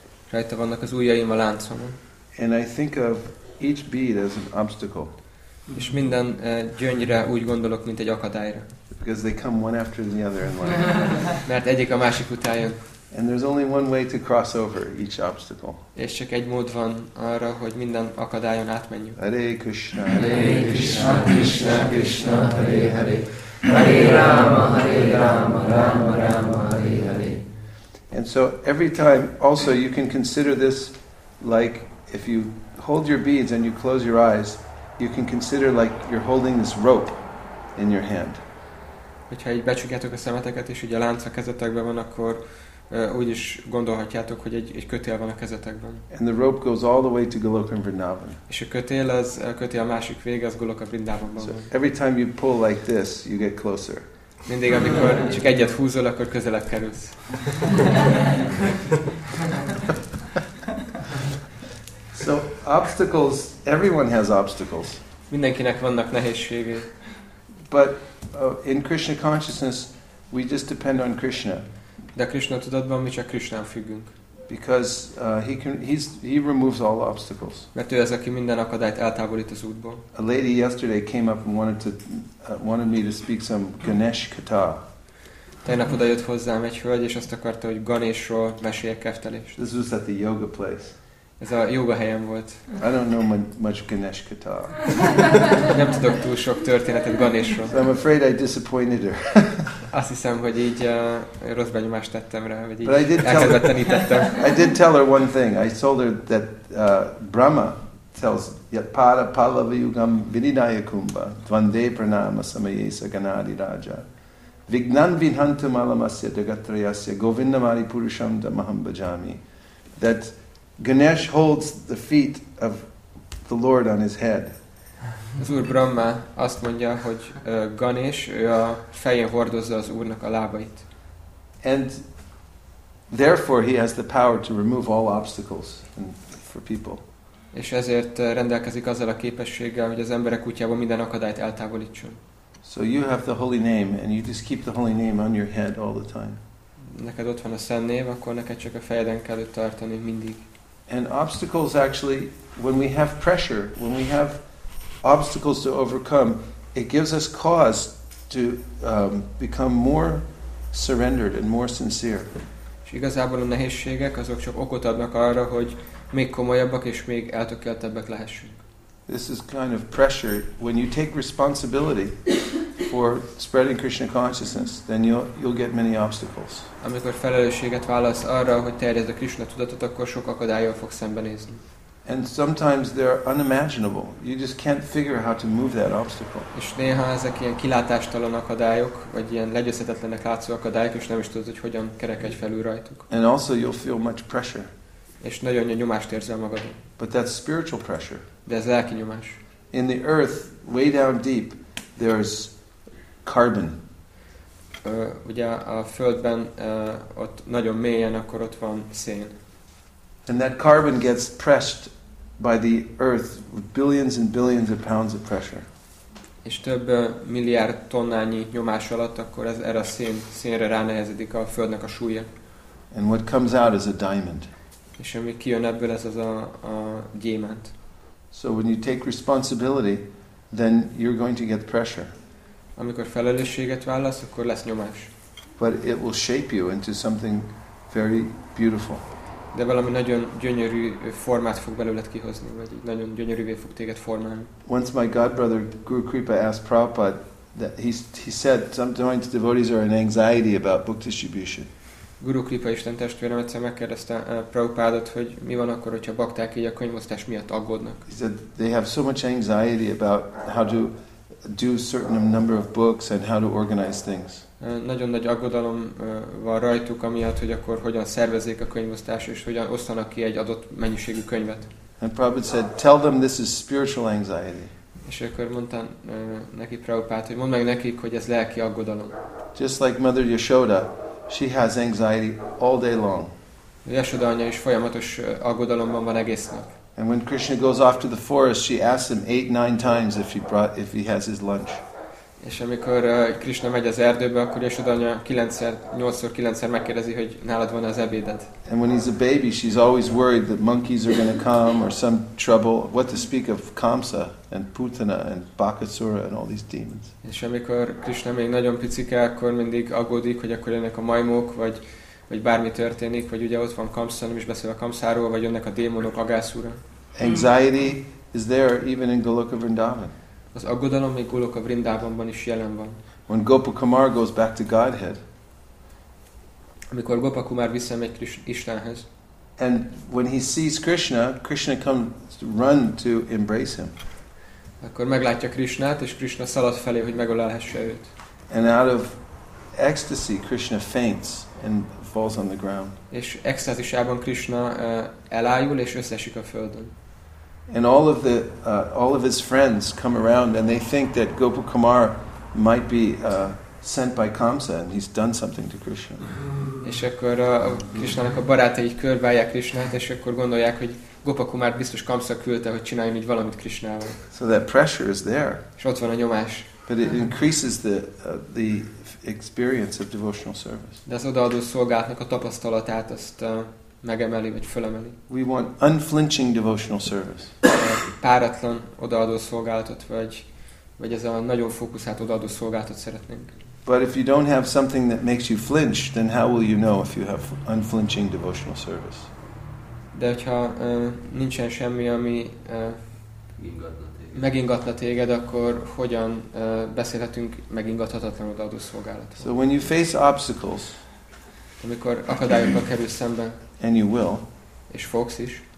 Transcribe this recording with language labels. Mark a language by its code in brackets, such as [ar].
[hu] Rajta vannak az ujjaim a láncomon. [en] And I think of each bead as an obstacle. [hu] És minden gyöngyre úgy gondolok, mint egy akadályra. [en] Because they come one after the other in life. [hu] Mert egyik a másik után jön. [en] And there's only one way to cross over each obstacle. [hu] És csak egy mód van arra, hogy minden akadályon átmenjünk. [sa] Hare Krishna, Hare Krishna, Krishna Krishna, Hare Hare. Hare Rama, Hare Rama, Rama Rama, Hare Hare. [en] And so every time, also you can consider this like, if you hold your beads and you close your eyes, you can consider like you're holding this rope in your hand. [hu] Hogyha így becsukjátok a szemeteket, és ugye a lánc a kezetekben van, akkor úgy is gondolhatjátok, hogy egy kötél van a kezetekben. [en] And the rope goes all the way to Goloka Vrindavan. [hu] És a kötél az a kötél a másik vége, az Goloka Vrindavanban. [en] So every time you pull like this, you get closer. [hu] Mindig, amikor csak egyet húzol, akkor közelebb kerülsz. [en] So obstacles, everyone has obstacles. [hu] Mindenkinek vannak nehézségei. [en] But in Krishna consciousness, we just depend on Krishna. [hu] De a Krishna tudatban mi csak Krishnán függünk. [en] Because he removes all obstacles. [hu] Mert ő az, aki minden akadályt eltávolít az útból. [en] A lady yesterday came up and wanted me to speak some Ganesh katha. [hu] Tegnap oda jött hozzám egy hölgy, és azt akarta, hogy Ganeshról meséljek keftelést. [en] This was at the yoga place. [hu] Ez a jóga helyen volt. [en] I don't know much Ganesh katha. [hu] Nem tudok túl sok történetet Ganeshról. [en] So I'm afraid I disappointed her. [hu] Azt hiszem, hogy így rossz benyomást tettem rá, vagy így elkezdettenítettem. [en] I did tell her one thing. I told her that Brahma tells [sa] yat para palavayugam vininayakumba dvande pranama samayesa ganadi raja vignan vinhantum alamasya dagatrayasya govindamari purusham damaham bhajami, [en] that Ganesh holds the feet of the Lord on his head. [hu] Az Úr Brahma azt mondja, hogy Ganesh, ő a fején hordozza az Úrnak a lábait. [en] And therefore he has the power to remove all obstacles for people. [hu] És ezért rendelkezik azzal a képességgel, hogy az emberek útjában minden akadályt eltávolítson. [en] So you have the holy name and you just keep the holy name on your head all the time. [hu] Neked ott van a szent név, akkor neked csak a fejeden kell tartani mindig. [en] And obstacles, actually, when we have pressure, when we have obstacles to overcome, it gives us cause to become more surrendered and more sincere. [hu] És igazából a nehézségek azok csak okot adnak arra, hogy még komolyabbak és még eltökéltebbek lehessünk. [en] This is kind of pressure. When you take responsibility for spreading Krishna consciousness, then you'll get many obstacles. [hu] Amikor felelősséget vállalsz arra, hogy terjeszd a Krishna tudatot, akkor sok akadállyal fogsz szembenézni. [en] And sometimes they're unimaginable. You just can't figure how to move that obstacle. [hu] És néha ezek ilyen kilátástalan akadályok, vagy ilyen legyőzhetetlenek látszó akadályok, és nem is tudod, hogy hogyan kerekedj felül rajtuk. [en] And also you'll feel much pressure. [hu] És nagyon nagy nyomást érzel magadon. [en] But that's spiritual pressure. [hu] De ez lelki nyomás. [en] In the earth, way down deep, there's carbon. [hu] Ugye a földben ott nagyon mélyen, akkor ott van szén. [en] And that carbon gets pressed by the earth with billions and billions of pounds of pressure. [hu] És több milliárd tonnányi nyomás alatt, akkor ez erre a szénre ránehezedik a földnek a súlya. [en] And what comes out is a diamond. [hu] És ami kijön ebből, ez az a gyémánt. [en] So when you take responsibility, then you're going to get pressure. [hu] Amikor felelősséget vállalsz, akkor lesz nyomás. [en] But it will shape you into something very beautiful. [hu] De valami nagyon gyönyörű formát fog belőled kihozni, vagy nagyon gyönyörűvé fog téged formálni. [en] Once my godbrother Guru Kripa asked Prabhupada that he said sometimes devotees are in anxiety about book distribution. [hu] Guru Kripa Isten testvérem egyszer megkérdezte Prabhupádot, hogy mi van akkor, hogyha bakták így a könyvosztás miatt aggódnak. [en] He said they have so much anxiety about how to do certain number of books and how to organize things. [hu] Nagyon nagy aggodalom van rajtuk amiatt, hogy akkor hogyan szervezzék a könyvosztást és hogyan osztanak ki egy adott mennyiségű könyvet. [en] And Prabhupada said, tell them this is spiritual anxiety. [hu] És akkor mondta neki Prabhupada, hogy mondd meg nekik, hogy ez lelki aggodalom. [en] Just like Mother Yashoda, she has anxiety all day long. [hu] Yashoda anya is folyamatos aggodalomban van egész nap. [en] And when Krishna goes off to the forest, she asks him 8-9 times if he has his lunch. [hu] És amikor Krishna megy az erdőbe, akkor Yashodanya 8-szor 9-szer megkérdezi, hogy nálad van az ebéded. [en] And when he's a baby, she's always worried that monkeys are going to come or some trouble. What to speak of Kamsa and Putana and Bakasura and all these demons. [hu] És amikor Krishna még nagyon picike, akkor mindig aggódik, hogy akkor jönnek a majmok, vagy bármi történik, vagy ugye ott van Kamsa, nem is beszél a Kamsáról, vagy jönnek a démonok, Agasura. [en] Anxiety is there even in Goloka Vrindavan. [hu] Az aggodalom még Goloka Vrindavanban is jelen van. [en] When Gopakumar goes back to Godhead. [hu] Amikor Gopakumar visszamegy Istenhez. [en] And when he sees Krishna, Krishna comes to run to embrace him. [hu] Akkor meglátja Krishnát, és Krishna szalad felé, hogy megölelhesse őt. [en] And out of ecstasy, Krishna faints and falls on the ground. [hu] És extázisában Krishna elájul és összeesik a földön. [en] And all of his friends come around and they think that Gopakumar might be sent by Kamsa and he's done something to Krishna. [hu] És akkor Krishnának a barátai körbeállják Krishnát, és akkor gondolják, hogy Gopakumar biztos Kamsa küldte, hogy csináljon így valamit Krishnával. [en] So that pressure is there. [hu] És ott van a nyomás. [en] But it increases the experience of devotional service. [hu] De az odaadó szolgálatnak a tapasztalatát azt megemeli vagy fölemeli. [en] We want unflinching devotional service. [hu] Páratlan odaadó szolgálatot vagy ez a nagyon fókuszált odaadó szolgálatot szeretnénk. [en] But if you don't have something that makes you flinch, then how will you know if you have unflinching devotional service? [hu] De hogyha nincsen semmi, ami megingatna téged, akkor hogyan beszélhetünk megingathatatlan odaadó szolgálatról? [en] So when you face obstacles, [hu] amikor akadályokkal kerül szembe, [en] and you will, [hu] és fogsz is,